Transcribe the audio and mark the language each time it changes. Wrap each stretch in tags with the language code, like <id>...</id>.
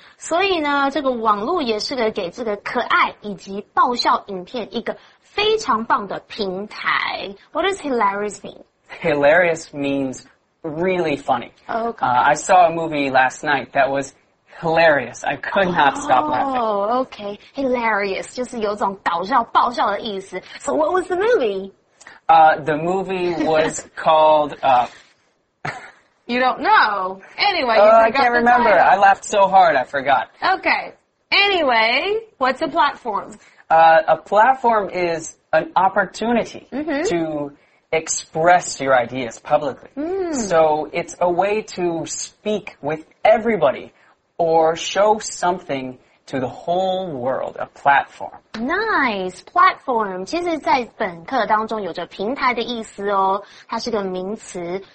<zh>所以呢，这个网络也是个给这个可爱以及爆笑影片一个非常棒的平台。</zh> <en>What does hilarious mean? Hilarious means really funny. Okay. I saw a movie last night that was hilarious. I could not stop laughing.</en> <zh>Oh, okay. Hilarious 就是有种搞笑爆笑的意思。</zh> <en>So what was the movie? The movie was called, You don't know. Anyway, I can't remember. I laughed so hard, I forgot. Okay. Anyway, what's a platform? A platform is an opportunity to express your ideas publicly. So it's a way to speak with everybody or show something to the whole world, a platform. Nice, platform.</en> <zh>其实在本课当中有着平台的意思哦，它是个名词。</zh>